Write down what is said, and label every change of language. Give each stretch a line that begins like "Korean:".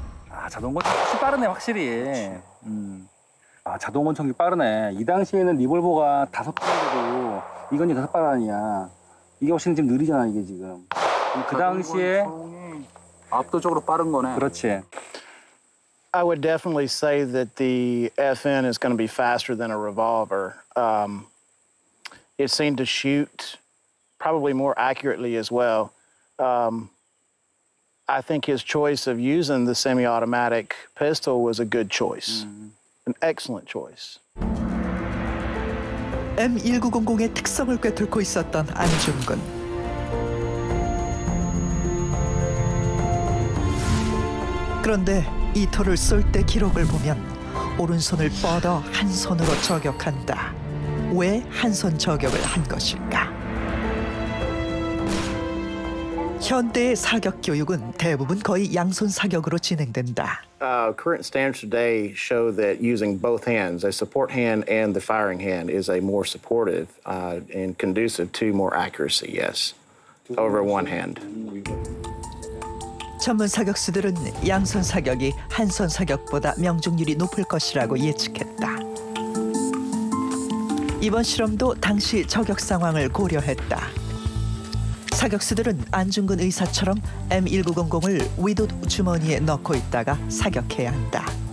Korean: 아, 자동건 확실히 빠르네, 확실히. 아, 자동건 총기 빠르네. 이 당시에는 리볼버가 5발이고 이건 6발 아니야. 이게 훨씬 지금 느리잖아, 이게 지금. 그 당시에 압도적으로 빠른 거네. 그렇지.
English: I would definitely say that the FN is going to be faster than a revolver. It seemed to shoot probably more accurately as well. I think his choice of using the semi-automatic pistol was a good choice, an excellent choice.
Korean: M1900의 특성을 꿰뚫고 있었던 안중근. 그런데 이토를 쏠 때 기록을 보면 오른손을 뻗어 한 손으로 저격한다. 왜 한 손 저격을 한 것일까? 현대의 사격 교육은 대부분 거의 양손 사격으로 진행된다.
English: Current standards today show that using both hands, a support hand and the firing hand, is a more supportive and conducive to more accuracy. Yes, over one hand.
Korean: 전문 사격수들은 양손 사격이 한손 사격보다 명중률이 높을 것이라고 예측했다. 이번 실험도 당시 저격 상황을 고려했다. 사격수들은 안중근 의사처럼 M1900을 윗옷 주머니에 넣고 있다가 사격해야 한다.